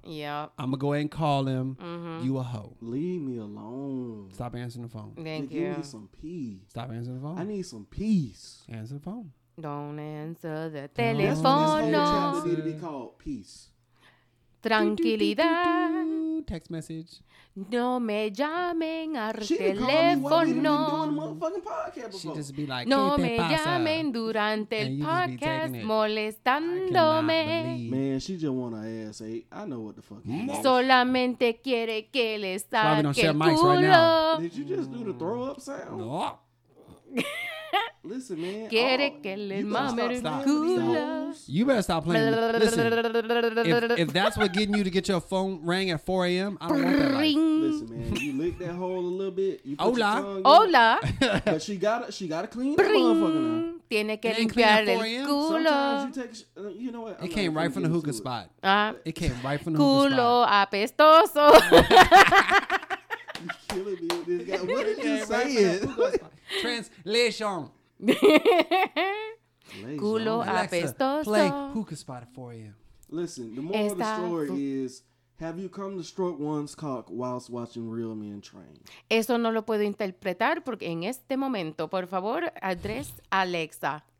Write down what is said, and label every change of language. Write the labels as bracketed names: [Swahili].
[English] Yep. I'm going to go ahead and call him. You a hoe. Leave me alone. Stop answering the phone. Thank you. Give me some peace. Stop answering the phone. I need some peace. Answer the phone. Don't answer the telephone. That's what need to be called. Peace. [Spanish] Tranquilidad. [English] Text message. [Spanish] No me llamen al teléfono. [English] She just be like, [Spanish] no me llamen durante el podcast molestándome. [English] Man, she just want her ass ate. I know what the fuck. [Spanish] Solamente quiere que le saque el culo. [English] Did you just do the throw up sound? No. Listen, man. [Spanish] Quiere que le mame el culo. [English] You better stop playing. Listen, if that's what getting you to get your phone rang at 4 a.m., I don't want that. Listen, man, you lick that hole a little bit. You [Spanish] hola. Hola. [English] In, but she got to clean that motherfucker. [Spanish] Tiene que limpiar el culo. [English] It came right from the hookah spot. It came right from the hookah spot. [Spanish] Culo apestoso. [English] You're killing me with this guy. What did you say? Translation. [Spanish] Lazy. Culo apestoso. [English] Play hookah spot for you. Listen, the moral of the story is, have you come to stroke one's cock whilst watching Real Men Train? [Spanish] Eso no lo puedo interpretar porque en este momento, por favor, [English] address Alexa.